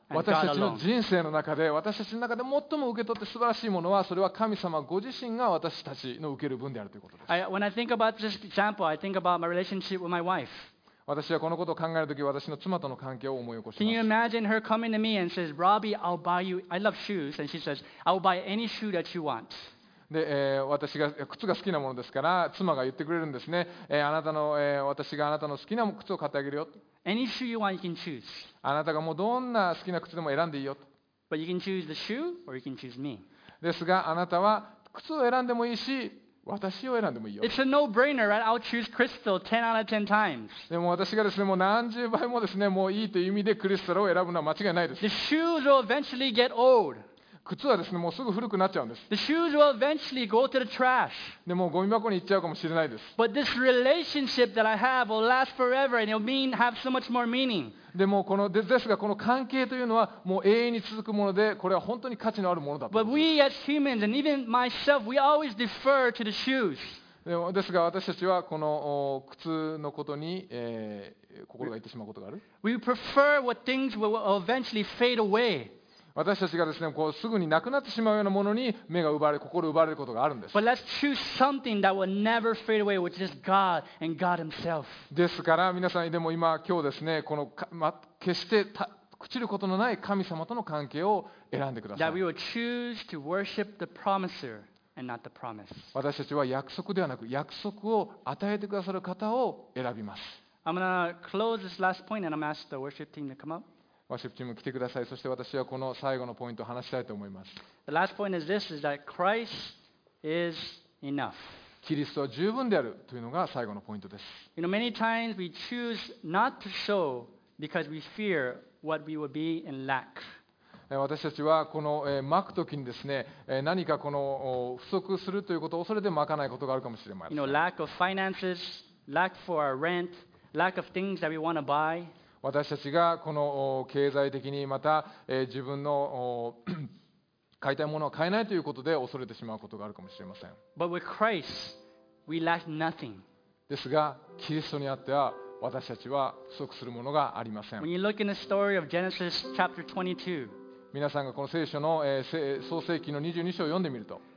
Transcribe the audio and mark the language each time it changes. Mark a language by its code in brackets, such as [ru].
[ja] 私たちの人生の中で、私たちの中で最も受け取って素晴らしいものは、それは神様ご自身が私たちの受ける分であるということです。 [en] When I think about this example, I think about my relationship with my wife. [ja] 私はこのことを考えるとき、私の妻との関係を思い起こします。 [en] Can you imagine her coming to me and says, Robbie, I'll buy you, I love shoes, and she says, I'll buy any shoe that you want. [ja] で私が靴が好きなものですから、妻が言ってくれるんですね。あなたの私があなたの好きな靴を買ってあげるよ。 [en] Any shoe you want, you can choose. [ja] あなたがもうどんな好きな靴でも選んでいいよ。 [en] But you can choose the shoe or you can choose me. [ja] ですがあなたは靴を選んでもいいし、私を選んでもいいよ。 [en] It's a no-brainer, right? I'll choose Crystal 10 out of 10 times. [ja] でも私がですね、もう何十倍もですね、もういいという意味でクリスタルを選ぶのは間違いないです。 [en] The shoes will eventually get old. [ja] 靴はですね、もうすぐ古くなっちゃうんです。 [en] The shoes will eventually go to the trash. [ja] でもうゴミ箱に行っちゃうかもしれないです。 [en] But this relationship that I have will last forever and it'll mean have so much more meaning. [ja] でもこのですがこの関係というのはもう永遠に続くもので、これは本当に価値のあるものだと。 [en] But we as humans and even myself, we always defer to the shoes. [ja] でもですが私たちはこの靴のことに、心が行ってしまうことがある。 [en] We prefer what things will eventually fade away. [ja] 私たちがですね、こうすぐになくなってしまうようなものに目が奪われ、心奪われることがあるんです。 [en] But let's choose something that will never fade away, which is God and God Himself. [ja] ですから皆さん、でも今日ですね、この、決して朽ちることのない神様との関係を選んでください。 [en] That we will choose to worship the promiser and not the promise. [ja] 私たちは約束ではなく、約束を与えてくださる方を選びます。 [en] I'm gonna close this last point and I'm gonna ask the worship team to come up. [ja] ワーシップチーム来てください。そして私はこの最後のポイントを話したいと思います。 [en] The last point is this, is that Christ is enough. [ja] キリストは十分であるというのが最後のポイントです。 [en] You know, many times we choose not to show because we fear what we will be in lack. [ja] 私たちはこの巻くときにですね、何かこの不足するということを恐れて巻かないことがあるかもしれません。 [en] You know, lack of finances, lack for our rent, lack of things that we want to buy. [ja] 私たちがこの経済的にまた自分の買いたいものを買えないということで恐れてしまうことがあるかもしれません。 [en] But with Christ, we lack nothing. [ja] ですが、キリストにあっては私たちは不足するものがありません。 [en] When you look in the story of Genesis chapter 22, [ja] 皆さんがこの聖書の、創世記の22章を読んでみると、